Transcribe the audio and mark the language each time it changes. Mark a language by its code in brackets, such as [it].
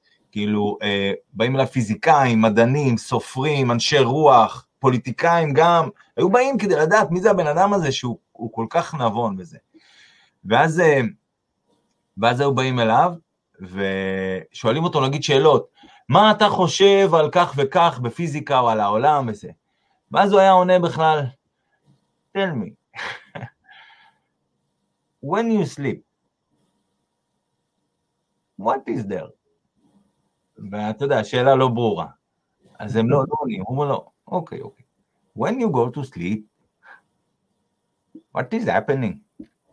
[he] כאילו, באים אליו פיזיקאים, מדענים, סופרים, אנשי רוח, פוליטיקאים גם, היו באים כדי לדעת מי זה הבן אדם הזה, שהוא כל כך נבון בזה. ואז היו באים אליו, ושואלים אותו, נגיד שאלות, מה אתה חושב על כך וכך בפיזיקה או על העולם וזה? ואז הוא היה עונה בכלל, [en] tell me, when you sleep, what is there? [he] ואתה יודע, השאלה לא ברורה. אז הם לא עונים, הוא אומר לו, אוקיי, אוקיי. [en] When you go to sleep, what is happening?